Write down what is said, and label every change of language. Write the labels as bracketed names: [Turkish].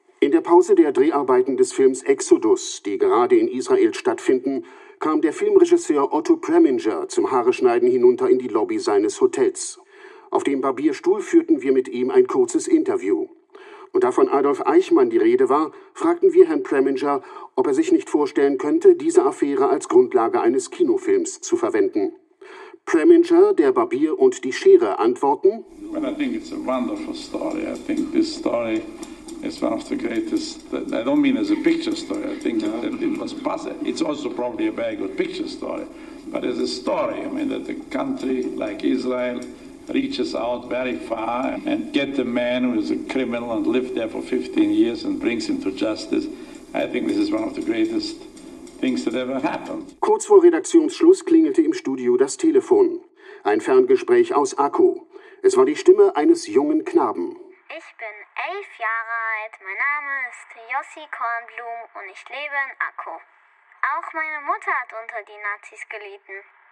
[German] In der Pause der Dreharbeiten des Films Exodus, die gerade in Israel stattfinden, kam der Filmregisseur Otto Preminger zum Haareschneiden hinunter in die Lobby seines Hotels. Auf dem Barbierstuhl führten wir mit ihm ein kurzes Interview. Und da von Adolf Eichmann die Rede war, fragten wir Herrn Preminger, ob er sich nicht vorstellen könnte, diese Affäre als Grundlage eines Kinofilms zu verwenden. Preminger, der Barbier und die Schere antworten: [English] Well, I think it's a wonderful story. I think this story is one of the greatest. I don't mean as a picture story. I think that it was possible. It's also probably a very good picture story. But as a story, I mean that a country like Israel reaches out very far and get the man who is a criminal and lived there for 15 years and brings him to justice. I think this is one of the greatest things that ever happened. [German] Kurz vor Redaktionsschluss klingelte im Studio das Telefon. Ein Ferngespräch aus Akku. Es war die Stimme eines jungen Knaben. Ich bin 11 Jahre alt. Mein Name ist Yossi Kornblum und ich lebe in Akku. Auch meine Mutter hat unter die Nazis gelitten.